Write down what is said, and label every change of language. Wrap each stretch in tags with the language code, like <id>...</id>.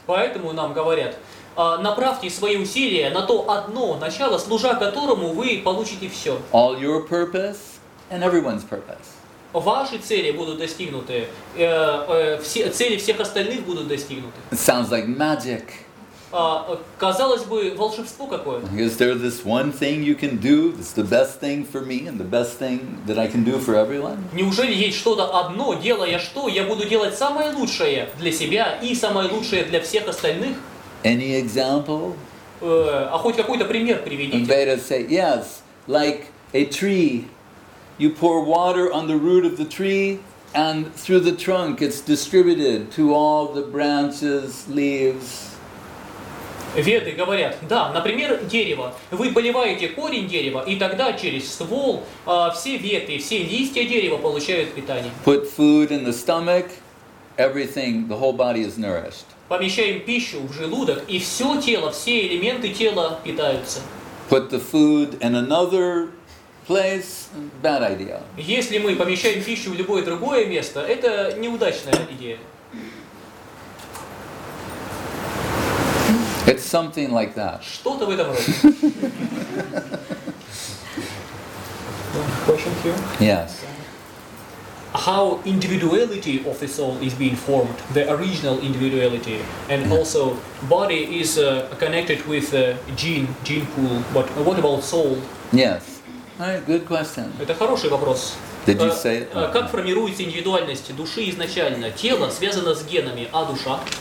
<ru>Поэтому нам говорят, направьте свои усилия на то одно начало, служа которому вы получите все.</ru> <en>All your purpose and everyone's purpose.</en> <ru>Ваши цели будут достигнуты, цели всех остальных будут достигнуты.</ru> <en>It sounds like magic.</en> <ru>Казалось бы, волшебство какое-то.</ru> <en>Is there this one thing you can do that's the best thing for me and the best thing that I can do for everyone?</en> <ru>Неужели есть что-то одно, делая что, я буду делать самое лучшее для себя и самое лучшее для всех остальных?</ru> <en>Any example?</en> <ru>А хоть какой-то пример приведите.</ru> <en>And Veda say, yes, like a tree. You pour water on the root of the tree and through the trunk it's distributed to all the branches, leaves.</en> <ru>Веды говорят, да, например, дерево. Вы поливаете корень дерева, и тогда через ствол все ветви, все листья дерева получают питание.</ru> <en>Put food in the stomach, everything, the whole body is nourished.</en> <ru>Помещаем пищу в желудок, и все тело, все элементы тела питаются.</ru> <en>Put the food in another place, bad idea.</en> <ru>Если мы помещаем пищу в любое другое место, это неудачная идея.</ru> <en>It's something like that.</en> <ru>Что-то в этом роде.</ru> <en>Question here? Yes. How individuality of the soul is being formed, the original individuality, and also body is connected with gene pool, but what about soul? Yes. All right, good question.</en> <ru>Это хороший вопрос.</ru> <en>Did you say it?</en> <ru>Как формируется индивидуальность души изначально? Тело связано с генами, а душа?</ru>